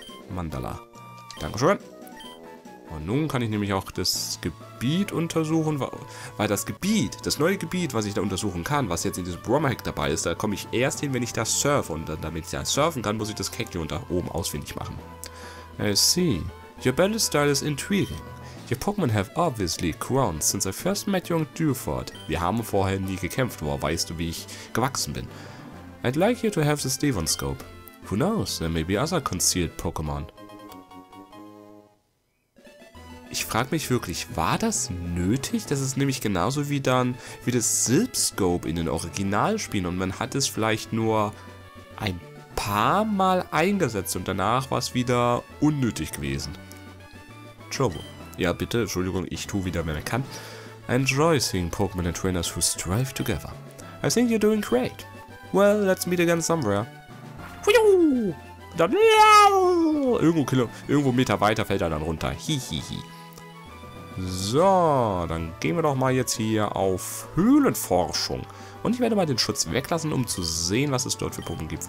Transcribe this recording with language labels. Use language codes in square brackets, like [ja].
[de] Mandala. Dankeschön. Und nun kann ich nämlich auch das Gebiet untersuchen, weil das Gebiet, das neue Gebiet, was ich da untersuchen kann, was jetzt in diesem Bromahack dabei ist, da komme ich erst hin, wenn ich da surfe. Und dann, damit ich da surfen kann, muss ich das Keklon da oben ausfindig machen. [en] I see. Your battle style is intriguing. Your Pokémon have obviously grown since I first met you in Dewford. [de] Wir haben vorher nie gekämpft, woher weißt du, wie ich gewachsen bin. [en] I'd like you to have this Devonscope. Who knows, there may be other concealed Pokémon. [de] Ich frage mich wirklich, war das nötig? Das ist nämlich genauso wie dann, wie das Silpscope in den Originalspielen und man hat es vielleicht nur ein paar Mal eingesetzt und danach war es wieder unnötig gewesen. Trouble. Ja, bitte, Entschuldigung, ich tue wieder, wenn ich kann. [en] I enjoy seeing Pokémon and Trainers who strive together. I think you're doing great. Well, let's meet again somewhere. Whew! [de] Dann irgendwo Meter weiter fällt er dann runter. Hihihi. So, dann gehen wir doch mal jetzt hier auf Höhlenforschung. Und ich werde mal den Schutz weglassen, um zu sehen, was es dort für Pokémon gibt.